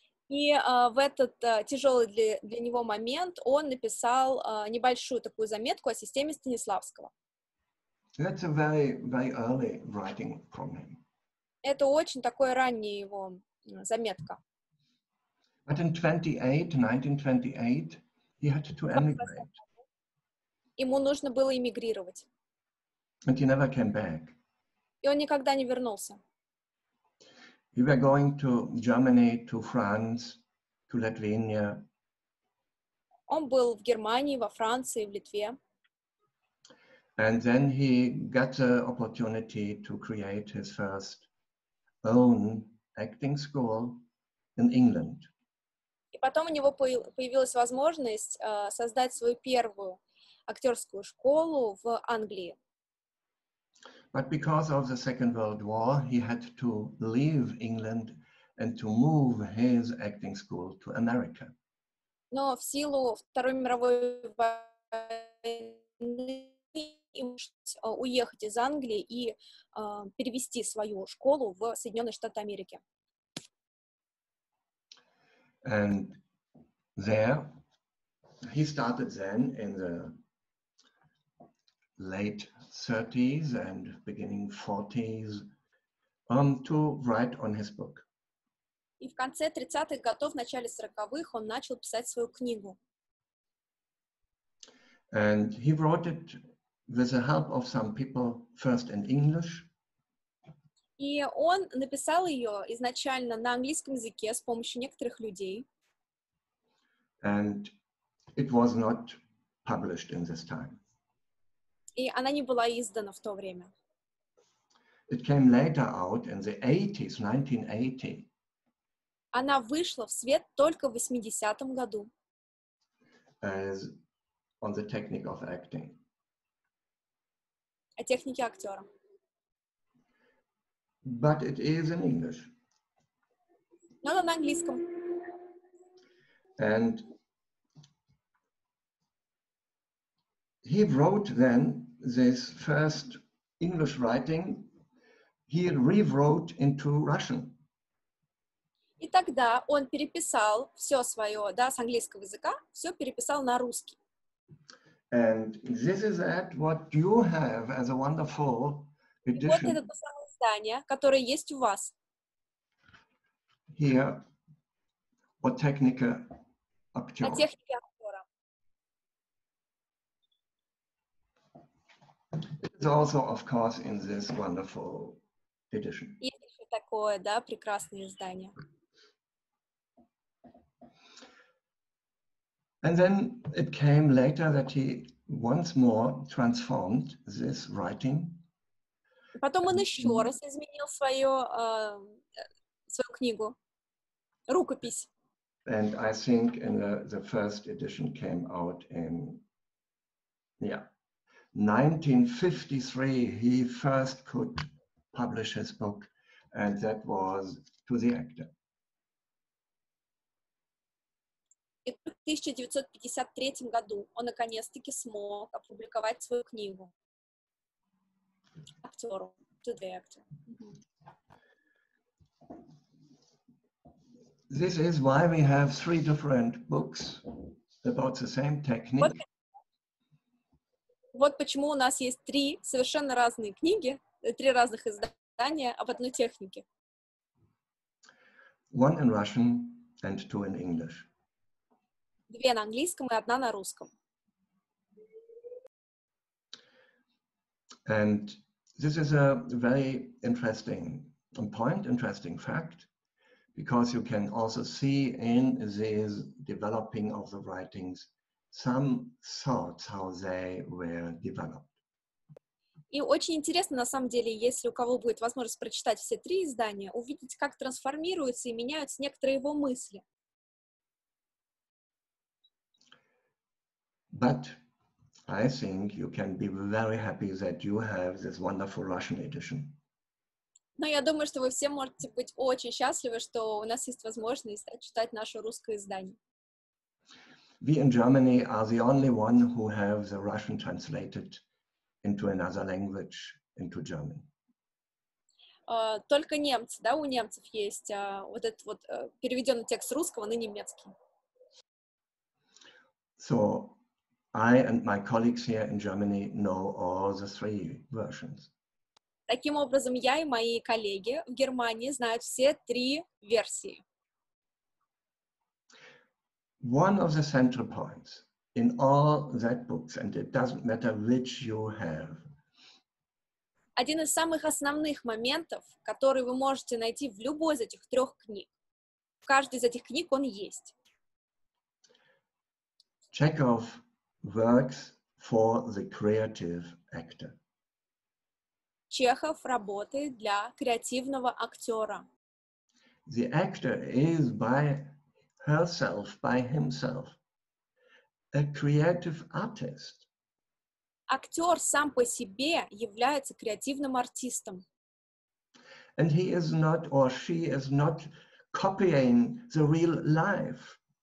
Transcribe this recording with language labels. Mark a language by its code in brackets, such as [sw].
[ru] И в этот тяжелый для него момент он написал небольшую такую заметку о системе Станиславского. [en] That's a very, very early writing from him. [ru] Это очень такое раннее его заметка. [en] But in 1928, he had to emigrate. [ru] Ему нужно было эмигрировать. [en] And he never came back. [ru] И он никогда не вернулся. [en] He was going to Germany, to France, to Lithuania. [ru] Он был в Германии, во Франции, в Литве. [en] And then he got the opportunity to create his first own acting school in England. [ru] И потом у него появилась возможность создать свою первую актерскую школу в Англии. [en] But because of the Second World War, he had to leave England and to move his acting school to America. [ru] Но в силу Второй мировой войны ему пришлось уехать из Англии и перевести свою школу в Соединенные Штаты Америки. [en] And there, he started then in the late 30s and beginning 40s to write on his book. [ru] И в конце 30-х годов, в начале 40-х, он начал писать свою книгу. [en] And he wrote it with the help of some people first in English. [ru] И он написал ее изначально на английском языке с помощью некоторых людей. [en] And it was not published in this time. [ru] И она не была издана в то время. [en] It came later out in the 80s, 1980. [ru] Она вышла в свет только в 80-м году. [en] As on the technique of acting. [ru] О технике актера. [en] But it is in English. [ru] Но на английском. [en] And he wrote then this first English writing, he rewrote into Russian. [ru] И тогда он переписал все свое, да, с английского языка, все переписал на русский. [en] And this is that what you have as a wonderful edition. [ru] И вот это то самое издание, которое есть у вас. Here, о технике актера. О технике актера. [en] It's also, of course, in this wonderful edition. [ru] И еще такое, да, прекрасное издание. [en] And then it came later that he once more transformed this writing. [ru] Потом он еще раз изменил свою свою книгу, рукопись. [en] And I think in the first edition came out in 1953 he first could publish his book, and that was to the actor. [ru] И в 1953 году он наконец-таки смог опубликовать свою книгу. [en] Актеру. To the actor. This is why we have three different books about the same technique. [ru] Вот почему у нас есть три совершенно разные книги, три разных издания об одной технике. [en] One in Russian and two in English. [ru] Две на английском и одна на русском. [en] And this is a very interesting point, interesting fact, because you can also see in this developing of the writings some thoughts how they were developed. [ru] И очень интересно, на самом деле, если у кого будет возможность прочитать все три издания, увидеть, как трансформируются и меняются некоторые его мысли. [en] But I think you can be very happy that you have this wonderful Russian edition. [ru] Но я думаю, что вы все можете быть очень счастливы, что у нас есть возможность читать наше русское издание. [en] We in Germany are the only one who have the Russian translated into another language, into German. [ru] Только немцы, да, у немцев есть вот этот вот переведенный текст русского на немецкий. [en] So I and my colleagues here in Germany know all the three versions. [ru] Таким образом, я и мои коллеги в Германии знают все три версии. [en] One of the central points in all that books, and it doesn't matter which you have. [ru] Один из самых основных моментов, который вы можете найти в любой из этих трех книг, в каждой из этих книг он есть. [en] Chekhov works for the creative actor. [ru] Чехов работает для креативного актера. [en] The actor is by herself, by himself, a creative artist. [ru] Актер сам по себе является креативным артистом. [en] And he is not, or she is not, copying the real life.